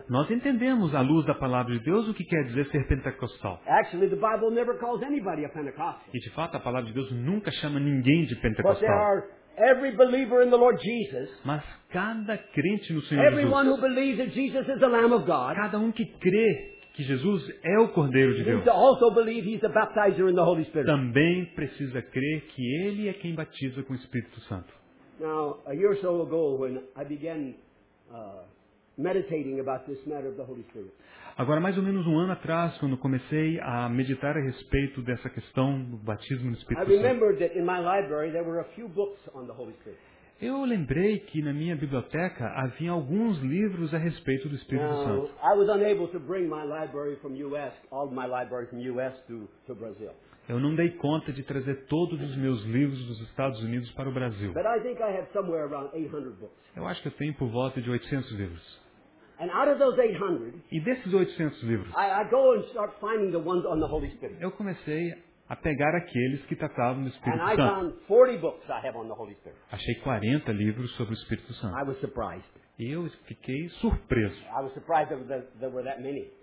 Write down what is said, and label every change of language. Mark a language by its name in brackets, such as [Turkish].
[Portuguese] Nós entendemos, à luz da palavra de Deus, o que quer dizer ser pentecostal. [English] Actually, the Bible never calls anybody a Pentecostal. [Portuguese] E, de fato, a palavra de Deus nunca chama ninguém de pentecostal. [English] But there are Every believer in the Lord Jesus, [Portuguese] mas cada crente no Senhor [English] everyone [Portuguese] Jesus, [English] who believes that Jesus is the Lamb of God, [Portuguese] cada que crê que Jesus é o Cordeiro de Deus, [English] also believe he's the baptizer in the Holy Spirit. [Portuguese] Também precisa crer que Ele é quem batiza com o Espírito Santo. [English] Now, a year or so ago, when I began meditating about this matter of the Holy Spirit. [Portuguese] Agora, mais ou menos um ano atrás, quando comecei a meditar a respeito dessa questão do batismo no Espírito [English] Santo, I remembered that in my library there were a few books on the Holy Spirit. [Portuguese] Eu lembrei que na minha biblioteca havia alguns livros a respeito do Espírito Santo. [English] I was unable to bring my library from US, all my library from US to Brazil. [Portuguese] Eu não dei conta de trazer todos os meus livros dos Estados Unidos para o Brasil. [English] But I think I have somewhere around 800 books. [Portuguese] Eu acho que eu tenho por volta de 800 livros. [English] And out of those 800, [Portuguese] e desses 800 livros, [English] I go and start finding the ones on the Holy Spirit. [Portuguese] Eu comecei a pegar aqueles que tratavam do Espírito [English] and [Portuguese] Santo. [English] I found 40 books I have on the Holy Spirit. [Portuguese] Achei 40 livros sobre o Espírito Santo. [English] I was surprised. [Portuguese] E eu fiquei surpreso. [English] I was surprised that there were that many.